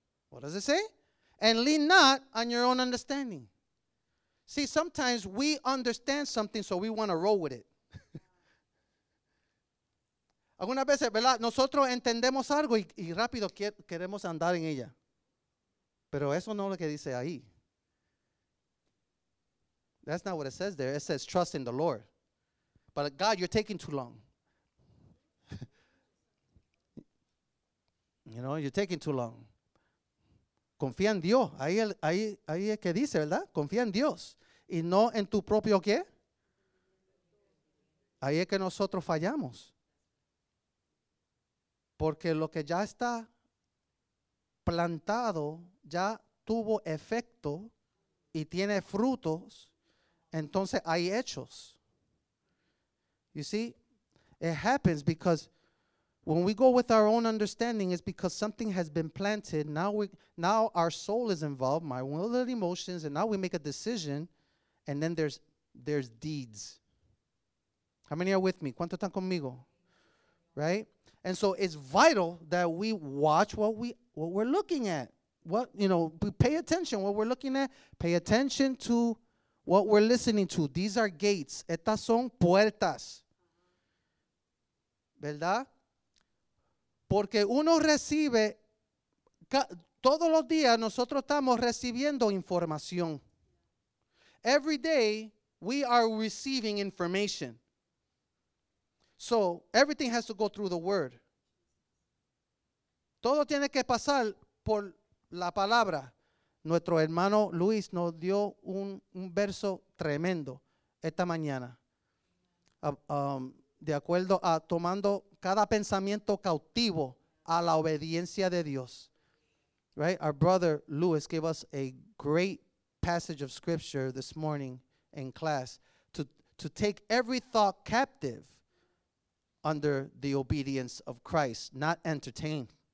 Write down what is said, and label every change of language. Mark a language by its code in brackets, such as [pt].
[en] What does it say? And lean not on your own understanding. See, sometimes we understand something, so we want to roll with it. [es] Algunas veces, ¿verdad? Nosotros entendemos algo y rápido queremos andar en ella. Pero eso no es lo que dice ahí. [en] That's not what it says there. It says trust in the Lord. But God, you're taking too long. You know, you're taking too long. [es] Confía en Dios. Ahí es que dice, ¿verdad? Confía en Dios. Y no en tu propio ¿qué? Ahí es que nosotros fallamos. Porque lo que ya está plantado ya tuvo efecto y tiene frutos. Entonces hay hechos. [en] You see? It happens because when we go with our own understanding, it's because something has been planted. Now our soul is involved, my will and emotions, and now we make a decision, and then there's deeds. How many are with me? [es] ¿Cuántos están conmigo? [en] Right? And so it's vital that we watch what we're looking at. What, you know, we pay attention what we're looking at. Pay attention to what we're listening to. These are gates. [es] Estas son puertas. ¿Verdad? Porque uno recibe, todos los días nosotros estamos recibiendo información. [en] Every day we are receiving information. So everything has to go through the word. [es] Todo tiene que pasar por la palabra. Nuestro hermano Luis nos dio un verso tremendo esta mañana. De acuerdo a tomando cada pensamiento cautivo a la obediencia de Dios. [en] Right? Our brother Lewis gave us a great passage of scripture this morning in class to take every thought captive under the obedience of Christ, not entertain.